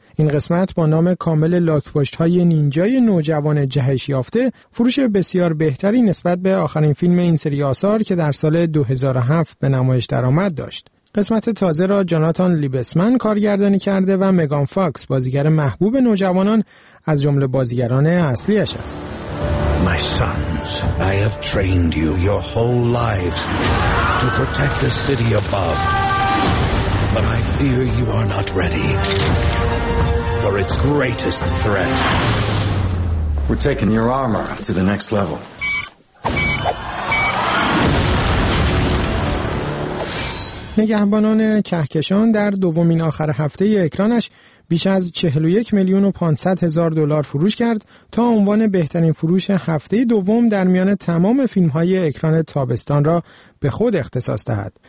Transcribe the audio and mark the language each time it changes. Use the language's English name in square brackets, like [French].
[Persian] این قسمت با نام کامل لاک‌پشت‌های نینجای نوجوان جهش یافته فروش بسیار بهتری نسبت به آخرین فیلم این سری آثار که در سال 2007 به نمایش درآمد داشت. قسمت تازه را جاناتان لیبسمن کارگردانی کرده و مگان فاکس بازیگر محبوب نوجوانان از جمله بازیگران اصلیش است. [English] My sons, I have trained you your whole lives to protect the city above. But I fear you are not ready. For its greatest threat. We're taking your armor to the next level. [Persian] نگهبانان کهکشان در دومین آخر هفته اکرانش بیش از 41,500,000 دلار فروش کرد تا عنوان بهترین فروش هفته دوم در میان تمام فیلم‌های اکران تابستان را به خود اختصاص دهد.